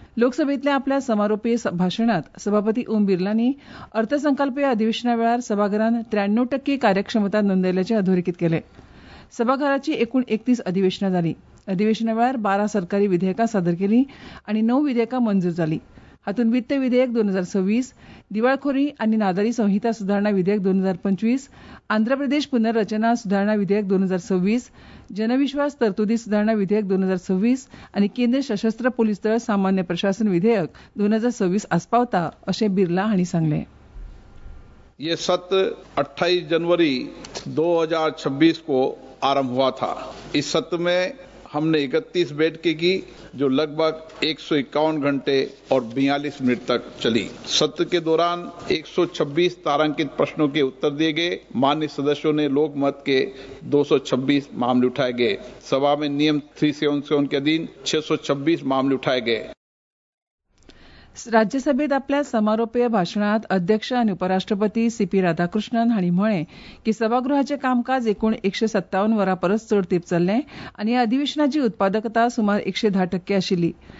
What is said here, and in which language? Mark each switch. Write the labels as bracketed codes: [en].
[kok] लोकसभेतल्या आपल्या समारोपी भाषणात सभापती ओम बिर्लानी अर्थसंकल्पीय अधिवेशना वेळार सभाघरान 93% कार्यक्षमता नोंदयल्याचे अधोरेखित केले. सभाघराची एकूण 31 अधिवेशनां जाली. अधिवेशना वेळार 12 सरकारी विधेयकां सादर केली आनी 9 विधेयकां मंजूर जाली. हातून वित्त विधेयक 2026, दिवाळखोरी आनी नादारी संहिता सुधारणा विधेयक 2025, आंध्र प्रदेश पुनर्रचना सुधारणा विधेयक 2026, जनविश्वास तरतुदी सुधारणा विधेयक 2026 आनी केंद्र सशस्त्र पोलीस दळ सामान्य प्रशासन विधेयक 2026 आसपावता अशें बिर्ला हांणी सांगलें. [hi] ये सत्र 28 जनवरी 2026 को आरंभ हुआ था. इस सत्र में हमने 31 बैठकें की जो लगभग 151 घंटे और 42 मिनट तक चली. सत्र के दौरान 126 तारांकित प्रश्नों के उत्तर दिए गए. माननीय सदस्यों ने लोकमत के 226 मामले उठाए गए. सभा में नियम 377 के अधीन 626 मामले उठाए गए. [kok] राज्यसभेत आपल्या समारोपीय भाषणात अध्यक्ष आणि उपराष्ट्रपती सीपी राधाकृष्णन हांणी म्हळे की सभागृहाचे कामकाज एकूण 157 वरां परस चड तेप चल्ले आणि या अधिवेशनाची उत्पादकता सुमार 110% आशिल्ली.